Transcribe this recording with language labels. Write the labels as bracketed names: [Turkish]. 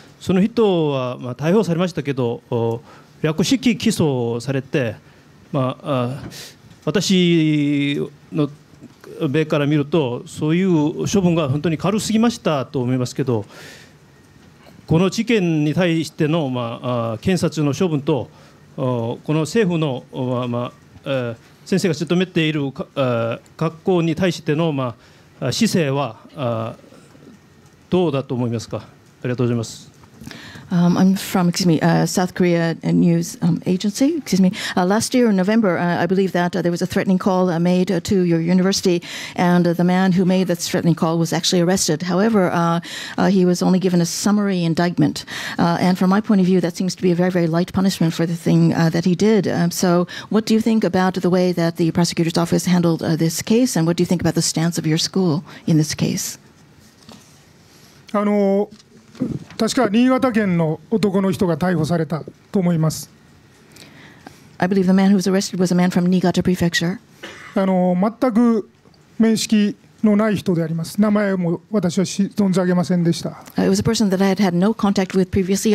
[Japanese] その人は、逮捕されましたけど略式起訴されて、私の米から見るとそういう処分が本当に軽すぎましたと思いますけど、この事件に対しての、検察の処分とこの政府の、先生が勤めている学校に対しての、姿勢はどうだと思いますか。ありがとうございます。 [English] I'm from, South Korea News Agency. Last year in November, I believe that there was a threatening call made to your university, and the man who made that threatening call was actually arrested. However, he was only given a summary indictment. And from my point of view, that seems to be a very, very light punishment for the thing that he did. So what do you think about the way that the prosecutor's office handled this case, and what do you think about the stance of your school in this case? [Japanese] 確か新潟県の男の人が逮捕されたと思います。 [English] I believe the man who was arrested was a man from Niigata Prefecture. [Japanese] 全く面識のない人であります。名前も私は存じ上げませんでした。 [English] It was a person that I had no contact with previously.